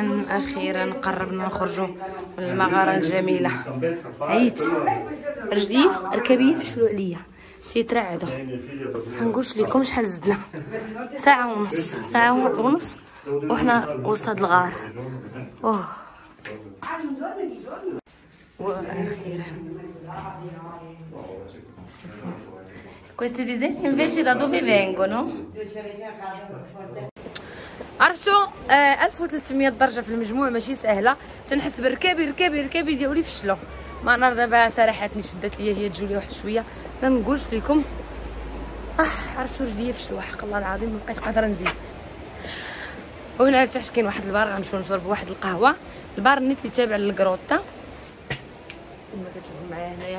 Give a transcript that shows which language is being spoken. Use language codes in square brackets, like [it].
[ar] اخيرا قربنا نخرجوا من المغاره الجميله. عييت رجلي ركبيت شلو عليا شي ترعدوا منقولش لكم شحال زدنا، ساعه ونص وحنا وسط هاد الغار. [it] اوه questi disegni invece da dove vengono? [ar] عرفتوا 1300 درجه في المجموع ماشي سهله. تنحس بركابي ديالي فشلو، ما نهار دابا سرحتني شدت ليا هي تجولي واحد شويه ما نقولش لكم. عرفتوا رجليا فشلو حق الله العظيم، ما بقيت قادره نزيد. وهنا تحت كاين واحد البار غنمشيو نشرب واحد القهوه، البار نيت اللي تابع للكروطا كما كتشوفوا معايا هنايا.